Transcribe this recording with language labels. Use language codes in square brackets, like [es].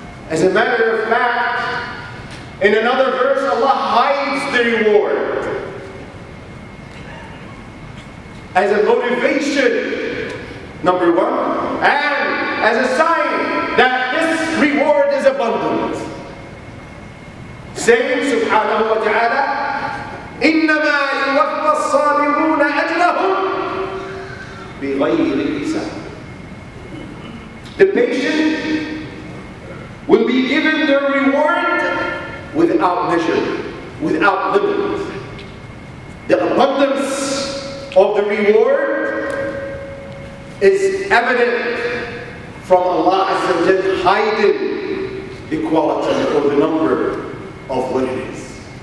[en] As a matter of fact, in another verse, Allah hides the reward as a motivation, number one, and as a sign that this reward is abundant. Saying, subhanahu wa ta'ala, [ar] إِنَّمَا يُوَفَّى الصَّابِرُونَ أَجْرَهُمْ بِغَيْرِ حِسَابٍ. [en] The patient will be given their reward without measure, without limit. The abundance of the reward is evident from Allah Azza wa Jalla hiding the quality or the number of what it is.